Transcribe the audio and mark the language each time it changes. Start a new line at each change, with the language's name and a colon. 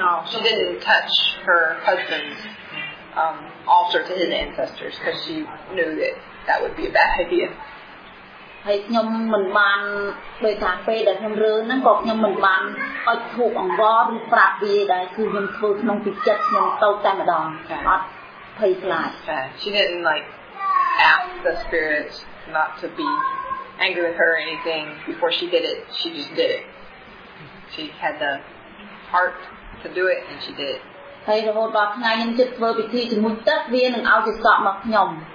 English: She didn't touch her husband's altar to his ancestors because she knew that that would be a bad idea.
Khmer: ហើយខ្ញុំមិនបានដោយសារពេលដែលខ្ញុំរើហ្នឹងក៏ខ្ញុំមិនបានអុជធូបអង្វរឬប្រាប់វាដែរគឺខ្ញុំធ្វើក្នុងពីចិត្តខ្ញុំទៅតែម្ដងអត់ភ័យខ្លាច
English: ចា She didn't like ask the spirits not to be angry with her or anything before she did it. She just did it. She had the heart to do it and she did it.
Khmer: ហើយរហូតដល់ថ្ងៃខ្ញុំជិតធ្វើពិធីជាមួយទឹកវានឹងឲ្យជាសក់មកខ្ញុំ